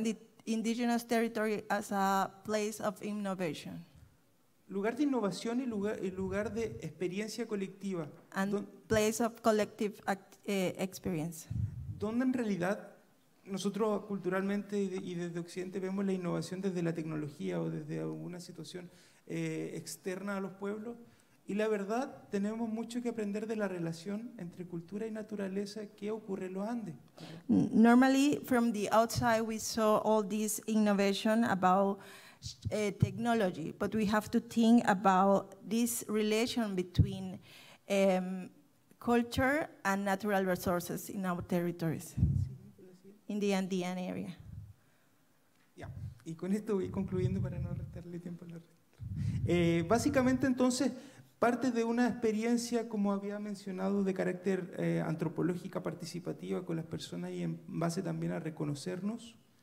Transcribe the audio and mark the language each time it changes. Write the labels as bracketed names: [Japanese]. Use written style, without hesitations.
[English] And the indigenous territory as a place of innovation. [Spanish] Lugar de innovación y lugar de experiencia colectiva. [English] And place of collective experience. [Spanish] Donde en realidad nosotros culturalmente y desde Occidente vemos la innovación desde la tecnología o desde alguna situación externa a los pueblos. Y la verdad, tenemos mucho que aprender de la relación entre cultura y naturaleza que ocurre en los Andes. [English] Normally, from the outside, we saw all this innovation about technology, but we have to think about this relation between culture and natural resources in our territories, in the Andean area. [Spanish] Yeah. Y con esto voy concluyendo para no restarle tiempo a la rectora. Básicamente, entonces, parte de una experiencia, como había mencionado, de carácter antropológica participativa con las personas y en base también a reconocernos.